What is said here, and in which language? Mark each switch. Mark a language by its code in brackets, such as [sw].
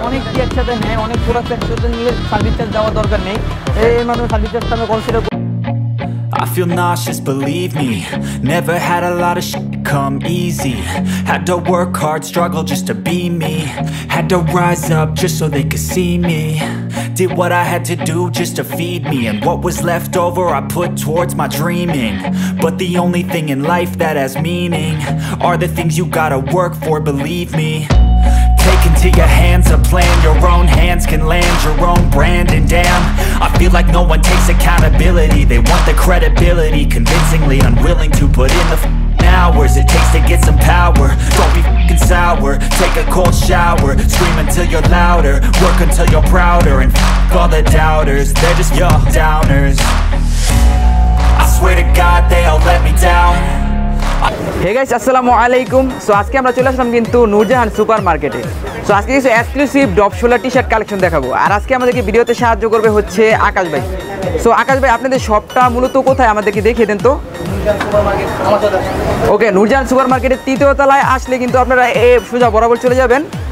[bn] অনেক কি একসাথে নেয়, অনেক পুরো একসাথে নিলে সার্ভিস চার্জ যাওয়ার দরকার নেই, এই মানে সার্ভিস চার্জ আমি consider [en] I feel nauseous, believe me. Never had a lot of shit come easy. Had to work hard, struggle just to be me. Had to rise up just so they could see me. Did what I had to do just to feed me. And what was left over I put towards my dreaming. But the only thing in life that has meaning are the things you gotta work for, believe me. Into your hands a plan, your own hands can land your own brand. And damn, I feel like no one takes accountability. They want the credibility, convincingly unwilling to put in the hours it takes to get some power. Don't be f***ing sour, take a cold shower. Scream until you're louder, work until you're prouder. And f*** all the doubters, they're just your downers. I swear to God they all let me down. [bn] Hey guys, আসসালামু আলাইকুম। So আজকে আমরা চলে আসলাম কিন্তু Nurjahan super মার্কেটে। So আজকে কিছু exclusive ডপশোলা T shirt collection দেখাবো, আর আজকে আমাদেরকে ভিডিওতে সাহায্য করবে হচ্ছে আকাশ ভাই। সো আকাশ ভাই, আপনাদের শপটা মূলত কোথায় আমাদেরকে দেখিয়ে দেন তো। ওকে, নূরজাহান সুপার মার্কেটের তৃতীয় তলায় আসলে কিন্তু আপনারা এ সোজা বরাবর চলে যাবেন।